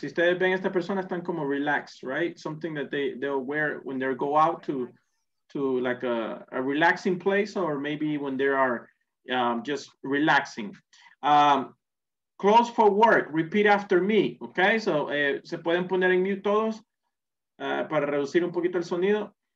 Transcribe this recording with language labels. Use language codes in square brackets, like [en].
[es] Si ustedes ven, estas personas están como [en] relaxed, right? Something that they'll wear when they go out to like a relaxing place, or maybe when they are just relaxing. Clothes for work, repeat after me, okay? [es] So, se pueden poner en mute todos para reducir un poquito el sonido.